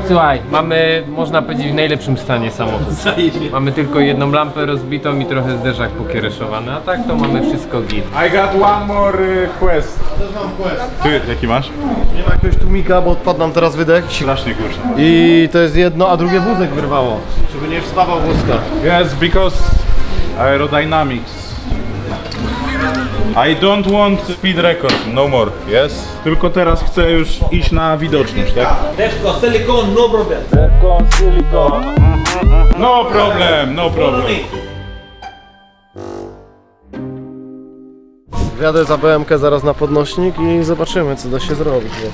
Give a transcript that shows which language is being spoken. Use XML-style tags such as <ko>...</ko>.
<pl>Słuchaj, mamy, można powiedzieć, w najlepszym stanie samochód. Mamy tylko jedną lampę rozbitą i trochę zderzak pokiereszowany, a tak to mamy wszystko git.</pl> <en>I got one more quest.</en> <pl>Też mam quest. Ty, jaki masz? Nie ma jakiegoś tłumika, bo odpadł nam teraz wydech. Strasznie kurczę. I to jest jedno, a drugie wózek wyrwało. Żeby nie wstawał wózka.</pl> <en>Yes, because aerodynamics. I don't want speed record, no more, yes?</en> <pl>Tylko teraz chcę już iść na widoczność, tak?</pl> <en>Defco, silicon, no problem! Defco, silicon! No problem, no problem!</en> <pl>Wjadę za BMW zaraz na podnośnik i zobaczymy, co da się zrobić.</pl>